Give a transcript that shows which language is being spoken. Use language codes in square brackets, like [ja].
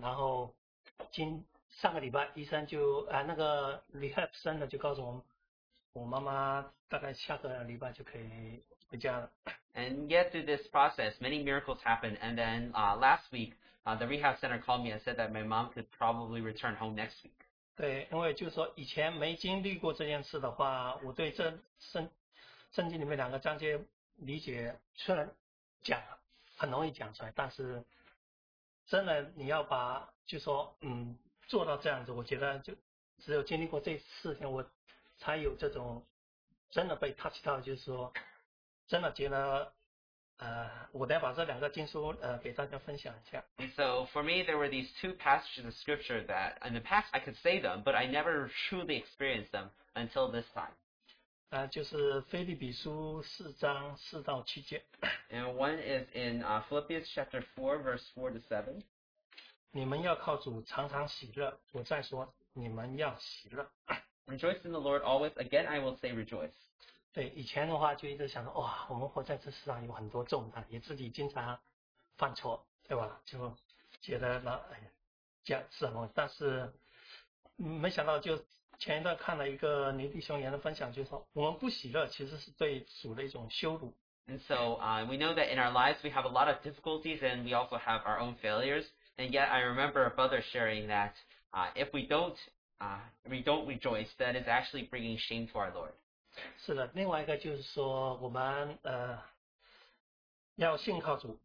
[zh] 然后上个礼拜，医生就那个 rehab 生的就告诉我，我妈妈大概下个礼拜就可以回家了。 [en] And yet through this process, many miracles happened. And then last week, the rehab center called me and said that my mom could probably return home next week. [zh] 对，因为就是说以前没经历过这件事的话，我对这圣经里面两个章节。理解虽然讲很容易讲出来，但是真的你要把就说做到这样子，我觉得就只有经历过这事情，我才有这种真的被 touch 到，就是说真的觉得我得把这两个经书给大家分享一下。 [en] So for me, there were these two passages of scripture that in the past I could say them, but I never truly experienced them until this time. [zh] 就是腓立比书四章四到七节。 [en] And one is in Philippians chapter 4, verse 4 to 7. [zh] 你们要靠主常常喜乐，我再说，你们要喜乐。 [en] Rejoice in the Lord always. Again, I will say rejoice. [zh] 对，以前的话就一直想着，哇，我们活在这世上有很多重担，也自己经常犯错，对吧？就觉得那哎呀，这样是什么？但是没想到就。前一段看了一个尼弟兄言的分享，就是说我们不喜乐其实是对主的一种羞辱。 [en] And so, we know that in our lives we have a lot of difficulties and we also have our own failures. And yet, I remember a brother sharing that, if we don't rejoice, that is actually bringing shame to our Lord. [zh] 是的，另外一个就是说我们要信靠主。